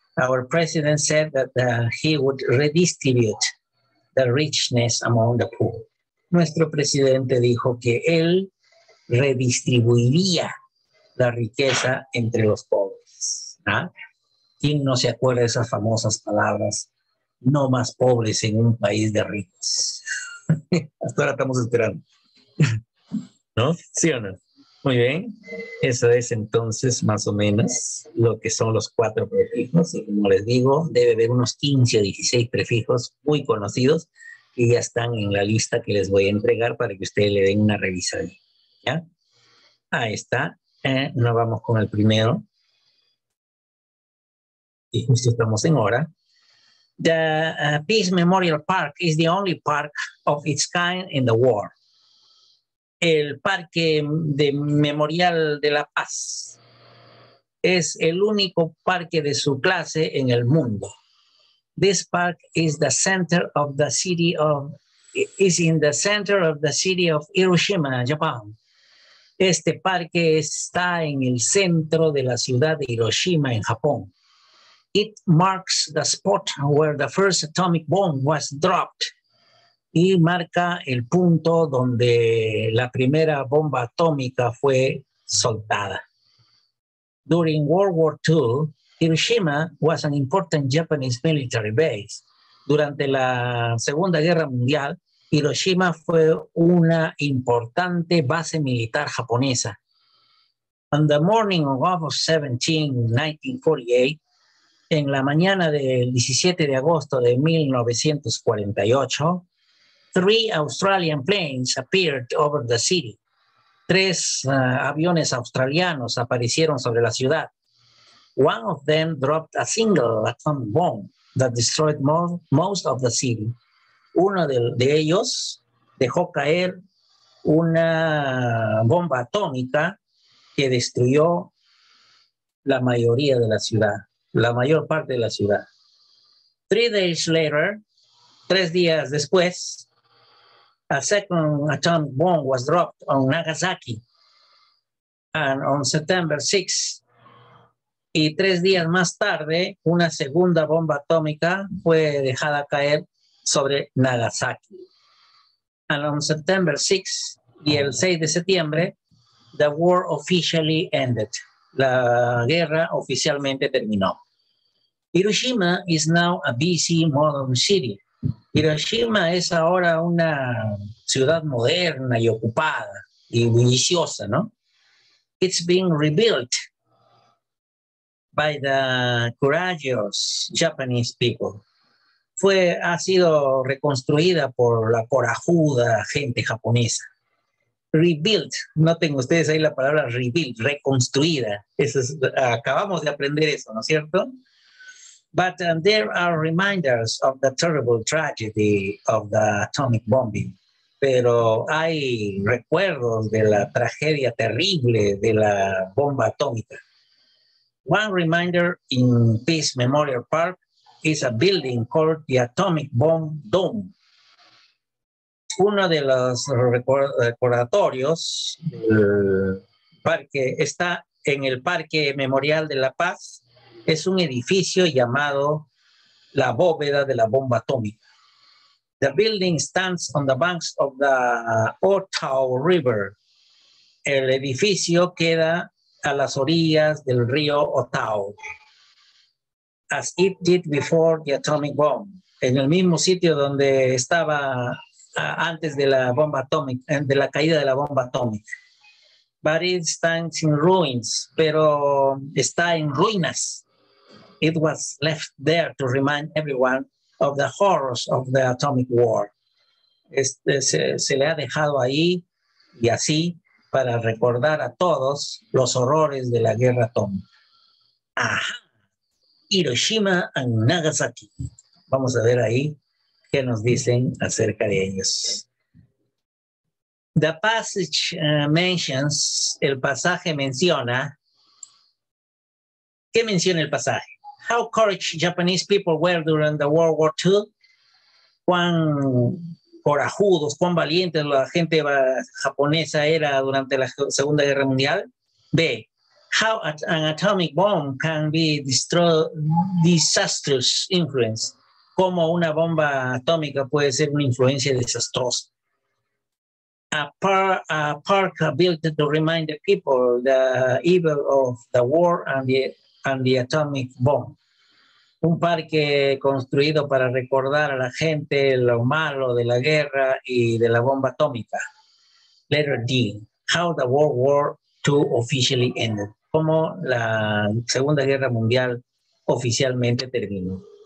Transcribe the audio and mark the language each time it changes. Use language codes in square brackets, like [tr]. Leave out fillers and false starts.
[en] Our president said that he would redistribute the richness among the poor. [es] Nuestro presidente dijo que él redistribuiría la riqueza entre los pobres. ¿Ah? ¿Quién no se acuerda de esas famosas palabras? No más pobres en un país de ricos. Hasta ahora estamos esperando. ¿No? ¿Sí o no? Muy bien. Eso es entonces más o menos lo que son los cuatro prefijos. Y como les digo, debe haber unos 15 o 16 prefijos muy conocidos que ya están en la lista que les voy a entregar para que ustedes le den una revisada. ¿Ya? Ahí está. Nos vamos con el primero. Y justo estamos en hora. [en] The Peace Memorial Park is the only park of its kind in the world. [es] El Parque de Memorial de la Paz es el único parque de su clase en el mundo. [en] This park is the center of the city of is in the center of the city of Hiroshima, Japón. [es] Este parque está en el centro de la ciudad de Hiroshima, en Japón. [en] It marks the spot where the first atomic bomb was dropped. [es] Y marca el punto donde la primera bomba atómica fue soltada. [en] During World War II, Hiroshima was an important Japanese military base. [es] Durante la Segunda Guerra Mundial, Hiroshima fue una importante base militar japonesa. [en] On the morning of August 17, 1948, [es] en la mañana del 17 de agosto de 1948, [en] three Australian planes appeared over the city. [es] Tres aviones australianos aparecieron sobre la ciudad. [en] One of them dropped a single atom bomb that destroyed most of the city. [es] Uno de ellos dejó caer una bomba atómica que destruyó la mayoría de la ciudad, la mayor parte de la ciudad. [en] 3 days later, [es] 3 días después, [en] a second atomic bomb was dropped on Nagasaki. And on September 6, [es] y 3 días más tarde, una segunda bomba atómica fue dejada caer sobre Nagasaki. [en] And on September 6 [es] y el 6 de septiembre, [en] the war officially ended. [es] La guerra oficialmente terminó. [en] Hiroshima is now a busy modern city. [es] Hiroshima es ahora una ciudad moderna y ocupada y bulliciosa, ¿no? [en] It's been rebuilt by the courageous Japanese people. [es] Ha sido reconstruida por la corajuda gente japonesa. Rebuilt, noten ustedes ahí la palabra rebuilt, reconstruida. Eso es, acabamos de aprender eso, ¿no es cierto? [en] But there are reminders of the terrible tragedy of the atomic bombing. [es] Pero hay recuerdos de la tragedia terrible de la bomba atómica. [en] One reminder in Peace Memorial Park is a building called the Atomic Bomb Dome. [es] Uno de los recordatorios del parque está en el Parque Memorial de la Paz. Es un edificio llamado la bóveda de la bomba atómica. [en] The building stands on the banks of the Otau River. [es] El edificio queda a las orillas del río Otau. [en] As it did before the atomic bomb. [es] En el mismo sitio donde estaba antes de la bomba atómica, de la caída de la bomba atómica. [en] But it stands in ruins, [es] pero está en ruinas. [en] It was left there to remind everyone of the horrors of the atomic war. [es] Se le ha dejado ahí y así para recordar a todos los horrores de la guerra atómica. Ajá. Hiroshima and Nagasaki. Vamos a ver ahí qué nos dicen acerca de ellos. [en] The passage mentions, [es] el pasaje menciona, ¿Qué menciona el pasaje? [en] How courage Japanese people were during the World War II. [es] Cuán corajudos, cuán valientes la gente japonesa era durante la Segunda Guerra Mundial. B. [en] How an atomic bomb can be disastrous influence. [es] Cómo una bomba atómica puede ser una influencia desastrosa. [en] A park built to remind the people the evil of the war and the atomic bomb. [es] Un parque construido para recordar a la gente lo malo de la guerra y de la bomba atómica. [en] Letter D. How the World War II officially ended. [es] Cómo la Segunda Guerra Mundial oficialmente terminó.